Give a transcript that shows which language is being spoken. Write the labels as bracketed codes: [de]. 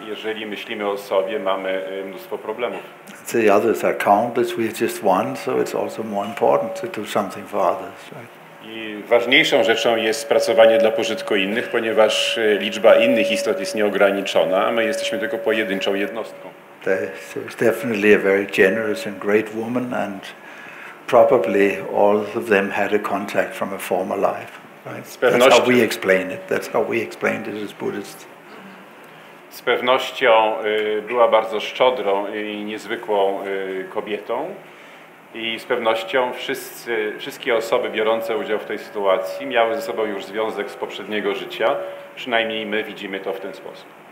[pl] Jeżeli myślimy o sobie, mamy mnóstwo problemów. [en] The others are countless, we're just one, so it's also more important to do something for others, right? [pl] I ważniejszą rzeczą jest pracowanie dla pożytku innych, ponieważ liczba innych istot jest nieograniczona, a my jesteśmy tylko pojedynczą jednostką. [en] She was definitely a very generous and great woman, and probably all of them had a contact from a former life. Right? That's how we explain it. That's how we explained it as Buddhists. [pl] Z pewnością była bardzo szczodrą i niezwykłą kobietą. I z pewnością wszystkie osoby biorące udział w tej sytuacji miały ze sobą już związek z poprzedniego życia. Przynajmniej my widzimy to w ten sposób.